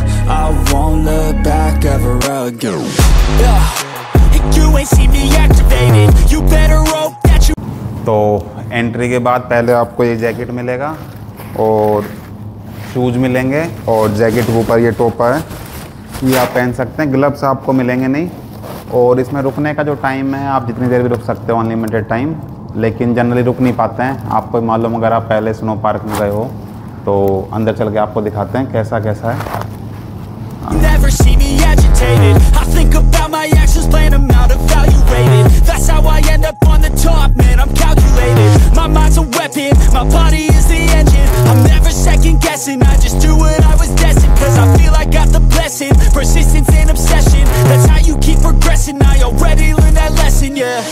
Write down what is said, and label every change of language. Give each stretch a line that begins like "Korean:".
English: I won't look back ever again. You ain't see me activated. You better hope that you.
Hindi: तो entry के बाद पहले आपको ये जैकेट मिलेगा और शूज मिलेंगे और जैकेट के ऊपर ये टोपा है, ये आप पहन सकते हैं। ग्लव्स आपको मिलेंगे नहीं। और इसमें रुकने का जो टाइम है, आप जितनी देर भी रुक सकते हो, अनलिमिटेड टाइम, लेकिन जनरली रुक नहीं पाते हैं। आपको मालूम अगर आप पहले स्नो पार्क में गए हो तो अंदर चल के आपको दिखाते हैं कैसा कैसा है।
English: Never see me agitated. I think about my actions, plan them out, evaluated. That's how I end up on the top, man. I'm calculated. My mind's a weapon, my body is the engine. I'm never second guessing. I just do what I was destined. Cause I feel I got the blessing. Persistence and obsession. That's how you keep progressing. I already learned that lesson, yeah.